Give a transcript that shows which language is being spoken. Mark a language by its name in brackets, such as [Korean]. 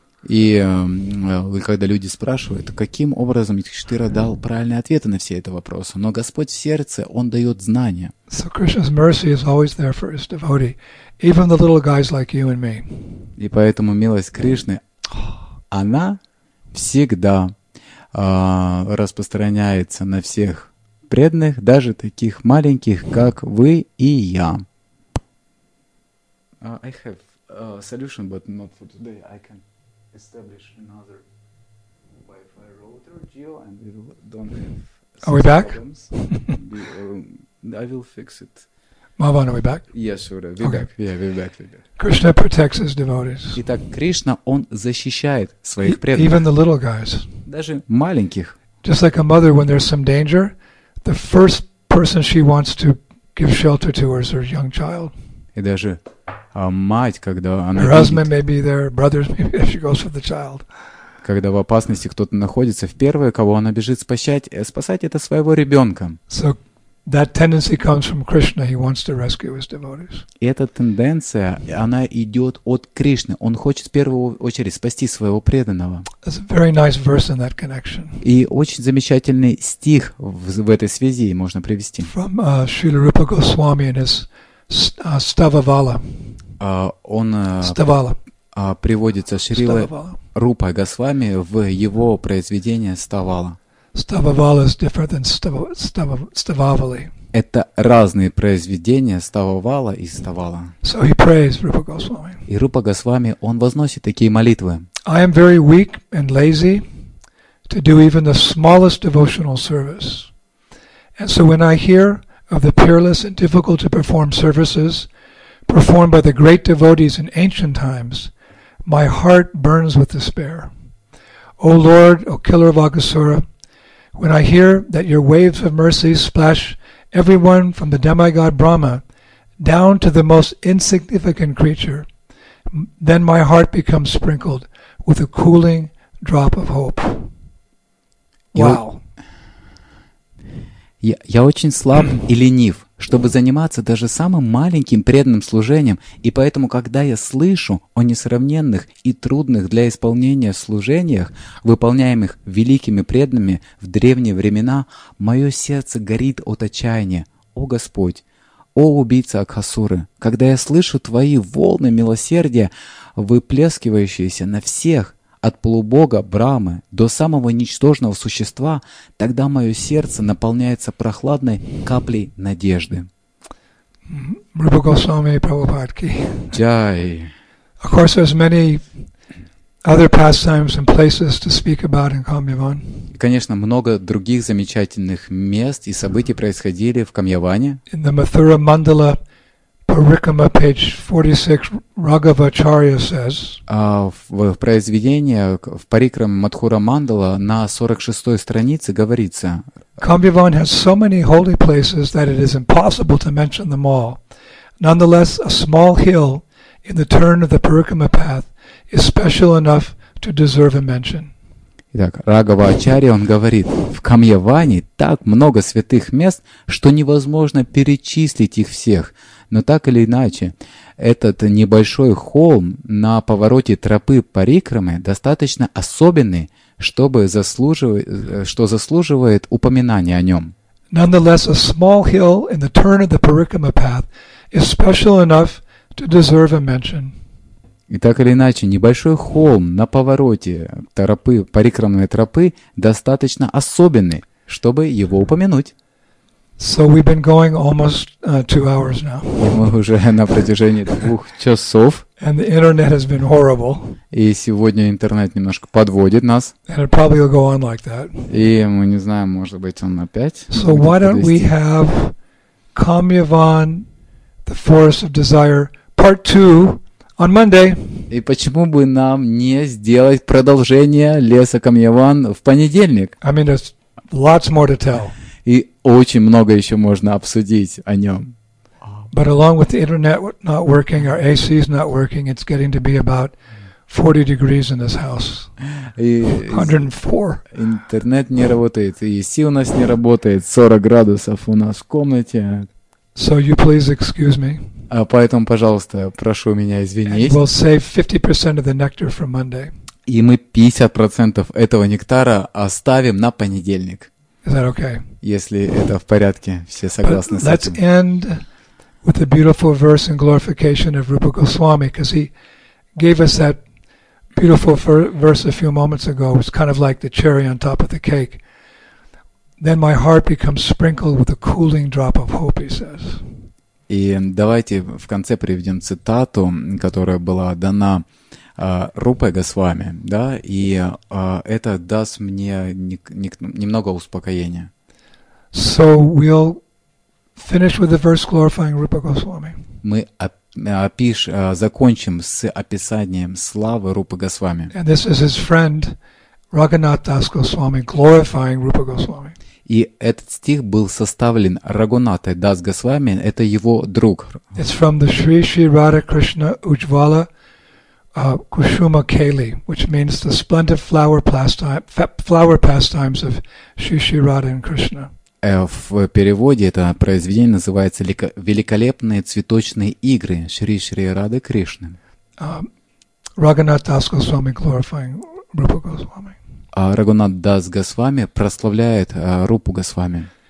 [Russian] И когда люди спрашивают, каким образом Юдхиштхира дал правильные ответы на все эти вопросы, но Господь в сердце, Он дает знания. [English] So Krishna's mercy is always there for his devotee, even the little guys like you and me. [Russian] И поэтому милость Кришны, она всегда распространяется на всех преданных, даже таких маленьких, как вы и я. [English] I have a solution, but not for today. I can establish another Wi-Fi router, Geo, and we don't have problems. Are we back? I will fix it. Mahavan, are we back? Yes, sure. We're back. Yeah, we're back. Krishna protects his devotees. [Russian] Итак, Кришна, Он защищает своих преданных. [English] Even the little guys. [Russian] Даже маленьких. [English] Just like a mother, when there's some danger, the first person she wants to give shelter to is her young child. [Russian] И даже мать, когда она [English] her husband may be there, brothers may be there, she goes for the child. [Russian] Когда в опасности кто-то находится, в первое, кого она бежит спасать, это своего ребенка. [English] So that tendency comes from Krishna. He wants to rescue his devotees. [Russian] Эта тенденция, она идет от Кришны. Он хочет в первую очередь спасти своего преданного. [English] That's a very nice verse in that connection. [Russian] И очень замечательный стих в этой связи можно привести. [English] From Srila Rupa Goswami in his Stavavala. [Russian] Он [English] Stavala. [Russian] приводится Шрила Рупа Госвами в его произведение «Ставала». [English] «Стававала» is different than «Стававали». [Russian] Это разные произведения «Стававала» и «Ставала». [English] So he prays, Rupa Goswami. [Russian] И Рупа Госвами, он возносит такие молитвы. [English] I am very weak and lazy to do even the smallest devotional service. And so when I hear of the peerless and difficult to perform services performed by the great devotees in ancient times, my heart burns with despair. O Lord, O killer of Agasura, when I hear that your waves of mercy splash everyone from the demigod Brahma down to the most insignificant creature, then my heart becomes sprinkled with a cooling drop of hope. Wow. [Russian] Я очень слаб и ленив, чтобы заниматься даже самым маленьким преданным служением, и поэтому, когда я слышу о несравненных и трудных для исполнения служениях, выполняемых великими преданными в древние времена, мое сердце горит от отчаяния. О Господь! О убийца Акхасуры! Когда я слышу твои волны милосердия, выплескивающиеся на всех, от полубога Брамы до самого ничтожного существа, тогда мое сердце наполняется прохладной каплей надежды. [Hindi] Rupa Goswami Prabhupada ki. Jai. [English] Of course, there's many other pastimes and places to speak about in Kamyavan. [Russian] Конечно, много других замечательных мест и событий происходили в Камьяване. [English] In the Mathura Mandala Parikrama, page 46, Raghavacharya says. [Russian] В произведении в Парикрам Мадхура Мандала на 46-й странице говорится. [English] Kamyavan has so many holy places that it is impossible to mention them all. Nonetheless, a small hill in the turn of the Parikrama path is special enough to deserve a mention. [Russian] Итак, Рагава-ачарья, он говорит, в Камьяване так много святых мест, что невозможно перечислить их всех. Но так или иначе, этот небольшой холм на повороте тропы Парикрамы достаточно особенный, что заслуживает упоминания о нем. [English] Nonetheless, a small hill in the turn of the Parikrama path is special enough to deserve a mention. [Russian] И так или иначе, небольшой холм на повороте тропы, парикрамной тропы, достаточно особенный, чтобы его упомянуть. [English] So we've been going almost, 2 hours now. [Russian] И мы уже на протяжении 2 часов. [English] And the internet has been horrible. [Russian] И сегодня интернет немножко подводит нас. [English] And it probably will go on like that. [Russian] И мы не знаем, может быть, он опять. [English] So why don't we have Kamyavan, the Forest of Desire, part 2, on Monday. [Russian] И почему бы нам не сделать продолжение леса Камьяван в понедельник? [English] I mean, there's lots more to tell. [Russian] И очень много еще можно обсудить о нем. [English] But along with the internet not working, our AC is not working, it's getting to be about 40 degrees in this house. 104. [Russian] Интернет не работает, и AC у нас не работает. 40 градусов у нас в комнате. [English] So you please excuse me. [Russian] Поэтому, пожалуйста, прошу меня извинить. [English] We'll save 50% of the nectar for Monday. [Russian] И мы 50% этого нектара оставим на понедельник. [English] Is that okay? [Russian] Если это в порядке, все согласны [English] But [Russian] с этим. [English] Let's end with a beautiful verse in glorification of Rupa Goswami, because he gave us that beautiful verse a few moments ago. It's kind of like the cherry on top of the cake. Then my heart becomes sprinkled with a cooling drop of hope, he says. [Russian] И давайте в конце приведем цитату, которая была дана Рупой Госвами, да, и это даст мне немного успокоения. [English] So we'll finish with the verse glorifying Rupa Goswami. [Russian] Мы закончим с описанием славы Рупы Госвами. [English] And this is his friend Raghunath Das Goswami glorifying Rupa Goswami. [Russian] И этот стих был составлен Рагунатой Дас Госвами, это его друг. [English] It's from the Shri Shri Radha Krishna Ujvala Kushuma Keli, which means the splendid flower pastimes of Shri Shri Radha and Krishna. [Russian] В переводе это произведение называется «Великолепные цветочные игры Шри Шри Рады Кришны». [English] Рагунат Дас Госвами glorifying Rupa Goswami. [Russian] Рагунат Дас Госвами прославляет Рупу Госвами.